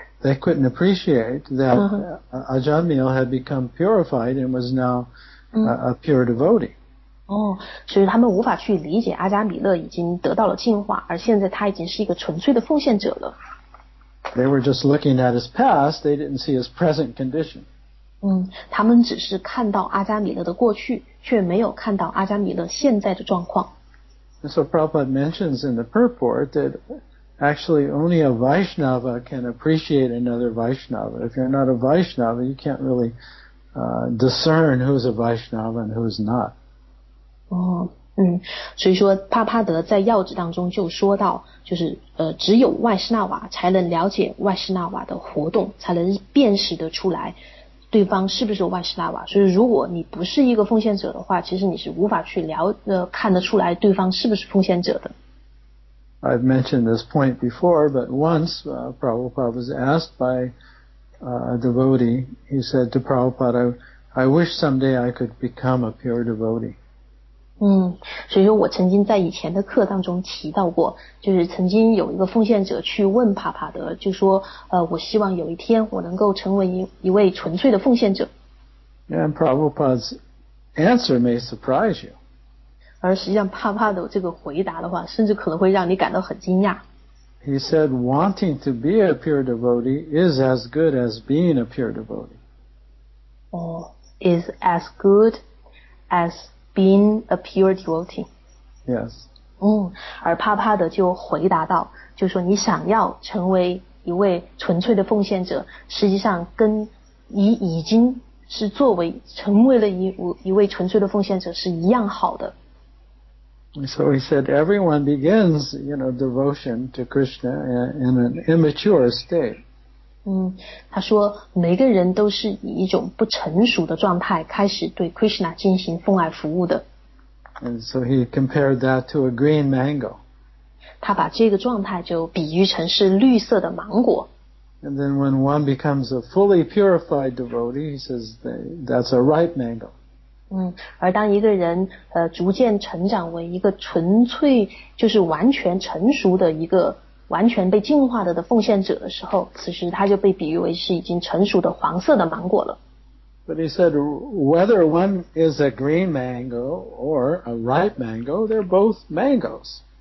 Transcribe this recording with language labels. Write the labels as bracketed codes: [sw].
[en] They couldn't appreciate that Ajamil had become purified and was now a pure devotee. [zh] 所以他们无法去理解阿加米勒已经得到了进化，而现在他已经是一个纯粹的奉献者了。 [en] They were just looking at his past, they didn't see his present condition. [zh] 他们只是看到阿加米勒的过去，却没有看到阿加米勒现在的状况。 [en] And so Prabhupada mentions in the purport that actually only a Vaishnava can appreciate another Vaishnava. If you're not a Vaishnava, you can't really discern who's a Vaishnava and who's not. [zh] 所以说帕帕德在要旨当中就说到，就是只有外士纳瓦才能了解外士纳瓦的活动，才能辨识得出来对方是不是外士纳瓦，所以如果你不是一个奉献者的话，其实你是无法去看得出来对方是不是奉献者的。 [en] I've mentioned this point before, but once Prabhupada was asked by a devotee, he said to Prabhupada, I wish someday I could become a pure devotee. [zh] 所以说我曾经在以前的课当中提到过，就是曾经有一个奉献者去问帕帕德，就说我希望有一天我能够成为一位纯粹的奉献者。 [en] And Prabhupada's answer may surprise you. [zh] 而实际上帕帕德这个回答的话，甚至可能会让你感到很惊讶。 [en] He said, wanting to be a pure devotee is as good as being a pure devotee. Is as good as... Being a pure devotee. Yes. [zh] 而帕帕德就回答到，就说你想要成为一位纯粹的奉献者，实际上跟你已经是作为成为了一位纯粹的奉献者是一样好的。 [en] So he said, everyone begins, you know, devotion to Krishna in an immature state. [zh] 他说每个人都是以一种不成熟的状态开始对 Krishna 进行奉爱服务的。 [en] And so he compared that to a green mango. [zh] 他把这个状态就比喻成是绿色的芒果。 [en] And then when one becomes a fully purified devotee, he says that's a ripe mango. [zh] 而当一个人逐渐成长为一个纯粹就是完全成熟的一个完全被净化的奉献者的时候此时他就被比喻为是已经成熟的黄色的芒果了。 [en] But he said whether one is a green mango or a ripe mango, they're both mangoes.